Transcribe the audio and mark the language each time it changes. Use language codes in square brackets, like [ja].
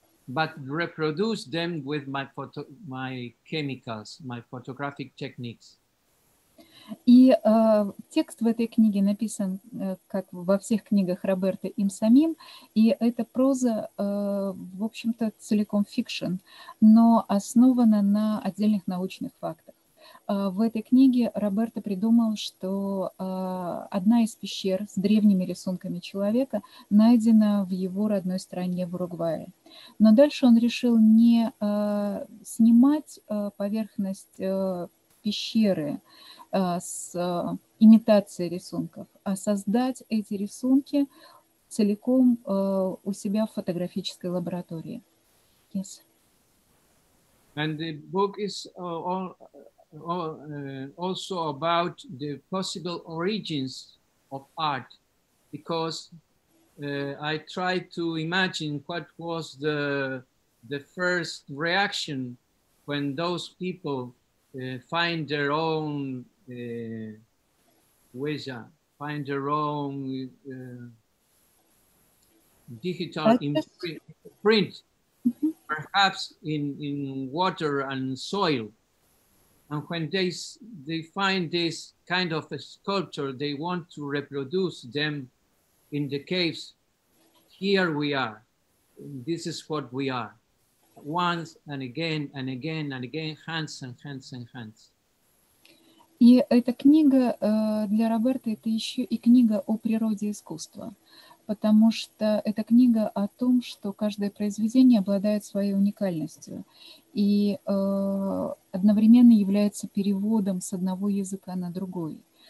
[en] But reproduce them with my chemicals, my photographic techniques. [ru] И текст в этой книге написан, как во всех книгах Роберта, им самим, и эта проза, в общем-то, целиком фикшн, но основана на отдельных научных фактах. В этой книге Роберто придумал, что одна из пещер с древними рисунками человека найдена в его родной стране, в Уругвае. Но дальше он решил не снимать поверхность пещеры с имитацией рисунков, а создать эти рисунки целиком у себя в фотографической лаборатории. [en] Yes. And the book is also about the possible origins of art, because I tried to imagine what was the first reaction when those people find their own weja, find their own digital imprint, perhaps in water and soil. And when they find this kind of a sculpture, they want to reproduce them in the caves. Here we are. This is what we are. Once and again and again and again, hands and hands and hands. [ru] И эта книга для Роберта – это еще и книга о природе искусства. Потому что эта книга о том, что каждое произведение обладает своей уникальностью и одновременно является переводом с одного языка на другой.